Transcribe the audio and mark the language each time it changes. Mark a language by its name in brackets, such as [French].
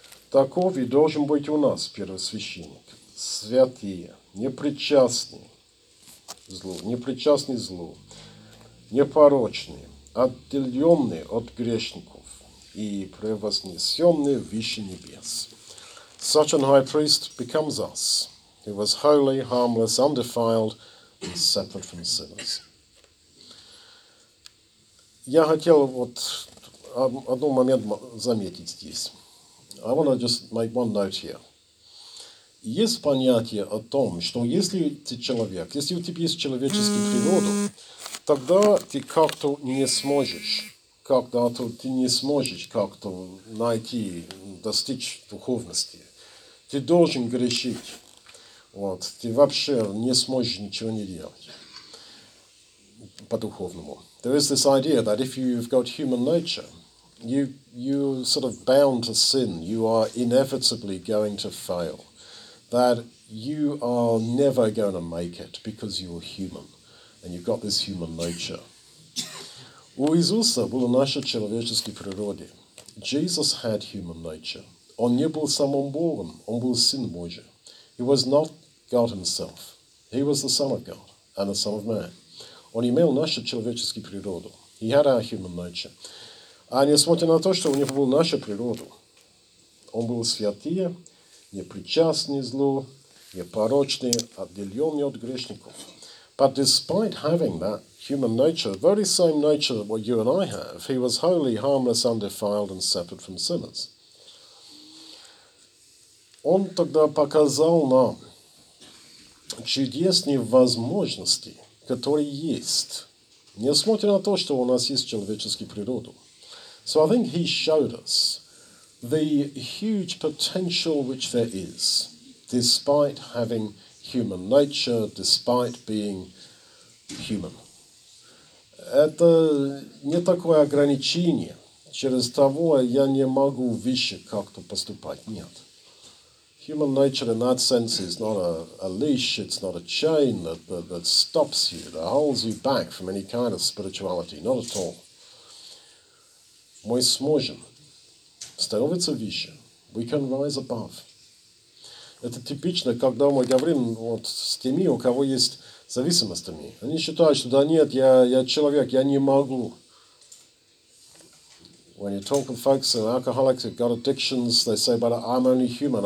[Russian] Таков и должен быть у нас первосвященник, святые, непричастные злу, непорочные, отделенные от грешников и превознесенные выше небес. [English] Such an high priest becomes us, who was holy, harmless, undefiled, and separate from sinners. [Russian] Я хотел вот одну момент заметить здесь. [English] I want to just make one note here. [Russian] Есть понятие о том, что если ты человек, если у тебя есть человеческую природу, тогда ты как-то не сможешь, найти, достичь духовности. Ты должен грешить. Вот. Ты вообще не сможешь ничего не делать по-духовному. [English] There is this idea that if you've got human nature, You sort of bound to sin. You are inevitably going to fail. That you are never going to make it because you are human, and you've got this human nature. [Russian] У Иисуса была наша человеческая природа. [English] Jesus had human nature. [Russian] Он не был самим Богом. Он был Сын Божий. [English] He was not God Himself. He was the Son of God and the Son of Man. [Russian] Он имел нашу человеческую природу. [English] He had our human nature. [Russian] А несмотря на то, что у него была наша природа, он был святый, непричастный злу, непорочный, отделенный от грешников. [English] But despite having that human nature, the very same nature that what you and I have, he was holy, harmless, undefiled, and separate from sinners. [Russian] Он тогда показал нам чудесные возможности, которые есть, несмотря на то, что у нас есть человеческую природу. [English] So I think he showed us the huge potential which there is, despite having human nature, despite being human. [Russian] Это не такое ограничение. Через того я не могу вещи как-то поступать. Нет. [English] Human nature in that sense is not a leash, it's not a chain that stops you, that holds you back from any kind of spirituality. Not at all. [Russian] Мы сможем. Становится выше. [English] We can rise above. [Russian] Это типично, когда мы говорим вот с теми, у кого есть зависимостями. Они считают, что да нет, я человек, я не могу. [English] When you talk with folks and alcoholics who've got addictions, they say, but I'm only human.